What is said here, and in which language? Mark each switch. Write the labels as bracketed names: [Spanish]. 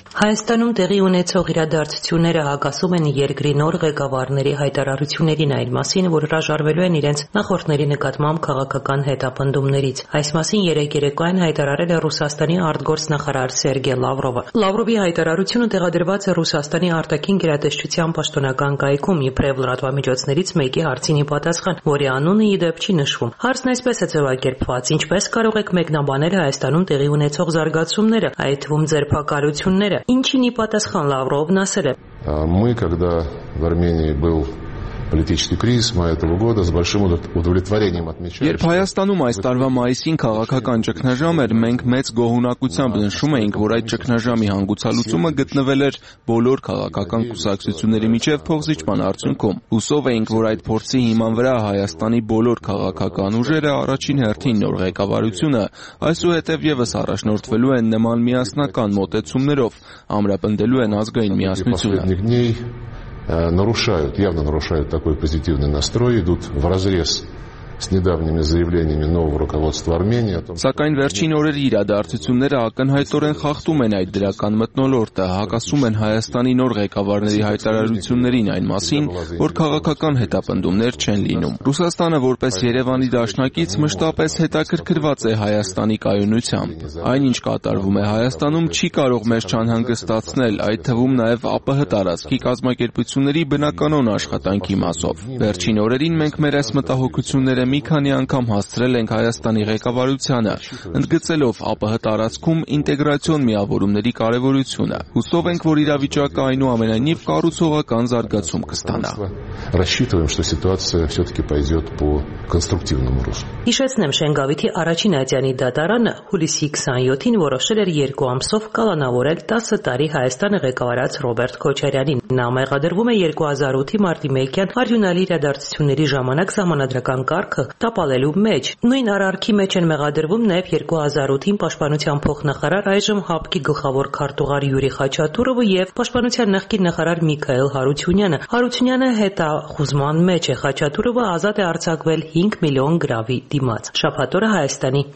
[Armenian] Հայաստանում տեղի ունեցող իրադարձությունները հակասում են երկրի նոր ղեկավարների հայտարարություններին, այն մասին, որ հրաժարվելու են իրենց նախորդների նկատմամբ քաղաքական հետապնդումներից։ Այս մասին երեկոյան հայտարարել է Ռուսաստանի արտգործնախարար Սերգեյ Լավրովը։ Լավրովի հայտարարությունը տեղադրված է Ռուսաստանի արտաքին գերատեսչության պաշտոնական կայքում, իբրև լրատվամիջոցներից մեկի հարցինի պատասխան, որի անունը ի դեպ չի նշվում։ Հարցն այսպես է ձևակերպված. ինչպես կարող եք մեկնաբանել Հայաստանում տեղի ունեցող զարգացումները, այդ թվում ձերբակալությունը։ Ինչինի պատասխան Լավրովն ասել է. [Russian] Мы, когда в Армении был политический кризис мая этого года с большим удовлетворением отмечаем. [Armenian] Երբ Հայաստանում այս տարվա մայիսին քաղաքական ճգնաժամ էր, մենք մեծ գոհունակությամբ նշում էինք, որ այդ ճգնաժամի հանգուցալուծումը գտնվել էր բոլոր քաղաքական կուսակցությունների միջև փոխզիջման արդյունքում։ Հուսով էինք, որ այդ փորձի հիման վրա Հայաստանի բոլոր քաղաքական ուժերը առաջին հերթին նոր ղեկավարությունը, այսուհետև եւս առաջնորդվելու են նման միասնական մոտեցումներով, ամրապնդելու են ազգային միասնությունը։ [Russian] Нарушают, явно нарушают такой позитивный настрой, идут вразрез с недавними заявлениями нового руководства Армении. [Armenian] Սակայն վերջին օրերի իրադարձությունները ակնհայտորեն խախտում են այդ դրական մթնոլորտը, հակասում են Հայաստանի նոր ղեկավարների հայտարարություններին այն մասին, որ քաղաքական հետապնդումներ չեն լինում։ Ռուսաստանը, որպես Երևանի դաշնակից, մշտապես հետաքրքրված է Հայաստանի կայունությամբ։ Այնինչ կատարվում է Հայաստանում, չի կարող մեզ չանհանգստացնել, այդ թվում նաև ԱՊՀ տարածքի կազմակերպությունների բնականոն աշխատանքի մասով։ Վերջին օրերին մենք մեր այս մտահոգությունը մի քանի անգամ հաստրել ենք Հայաստանի ղեկավարությանը, ընդգծելով ԱՊՀ տարածքում ինտեգրացիոն միավորումների կարևորությունը։ Հուսով ենք, որ իրավիճակը այնուամենայնիվ կառուցողական զարգացում կստանա։ [Russian] Рассчитываем, что ситуация всё-таки пойдёт по конструктивному руслу։ [Armenian] Հիշեցնեմ, Շենգավիթի առաջին Ազիանի դատարանը հուլիսի 27-ին որոշել էր երկու ամսով կալանավորել 10 տարի Հայաստանը ղեկավարած Ռոբերտ Քոչարյանին։ Նա մեղադրվում է 2008-ի մարտի 1-ին արյունալի իրադարձությունների ժամանակ ժամանակ կարգը տապալելու մեջ։ Նույն առարկի մեջ են մեղադրվում նաև 2008-ին պաշտպանության փոխնախարար այժմ ՀԱՊԿ-ի գլխավոր քարտուղար Յուրի Խաչատուրովը և պաշտպանության նախկին նախարար Միքայել Հարությունյանը։ Հարությունյանը հետախուզման մեջ է, Խաչատուրովը ազատ է արձակվել 5 միլիոն գրավի դիմաց։ Շաբաթօրը Հայաստանի